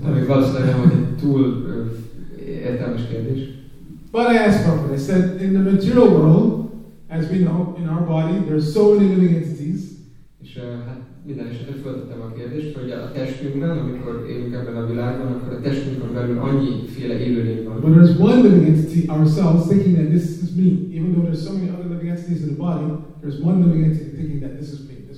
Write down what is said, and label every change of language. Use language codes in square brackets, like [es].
[hu] Ami valószínűleg nem egy túl értelmes kérdés. [en] But I asked Prabhupada, I said, in the material world, as we know, in our body, there are so many living entities. [hu] És hát minden esetre feltettem a kérdést, hogy a testünkben, amikor élünk ebben a világban, akkor a testünkben belül annyi féle élőlény van. [en] But there's one living entity, ourselves, thinking that this is me. Even though there's so many other living entities in the body, there's one living entity thinking that this is me.